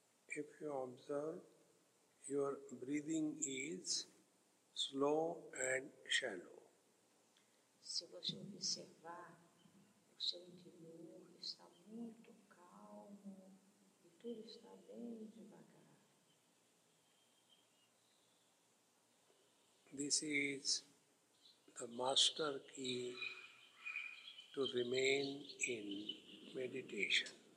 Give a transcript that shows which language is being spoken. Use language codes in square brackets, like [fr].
[en] If you observe, your breathing is slow and shallow. [pt] Se você observar, o seu interior está muito calmo e tudo está bem devagar. [en] This is the master key to remain in meditation.